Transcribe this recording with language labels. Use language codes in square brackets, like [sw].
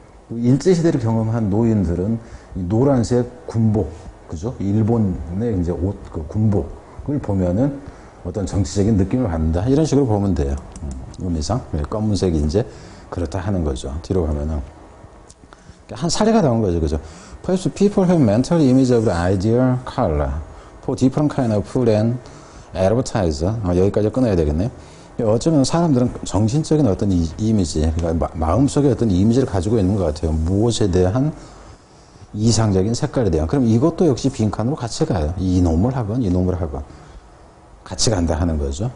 [ko] 일제시대를 경험한 노인들은 노란색 군복, 그죠? 일본의 이제 옷, 그 군복을 보면은 어떤 정치적인 느낌을 받는다. 이런 식으로 보면 돼요. 의미상. 네, 검은색 이제 그렇다 하는 거죠. 뒤로 가면은. 한 사례가 나온 거죠. 그죠? [en] Perhaps people have mental image of the ideal color for different kind of food and advertiser. [ko] 아, 여기까지 끊어야 되겠네요. 어쩌면 사람들은 정신적인 어떤 이미지, 그러니까 마음속에 어떤 이미지를 가지고 있는 것 같아요. 무엇에 대한 이상적인 색깔에 대한. 그럼 이것도 역시 빈칸으로 같이 가요. 이놈을 하건 이놈을 하건 같이 간다 하는 거죠.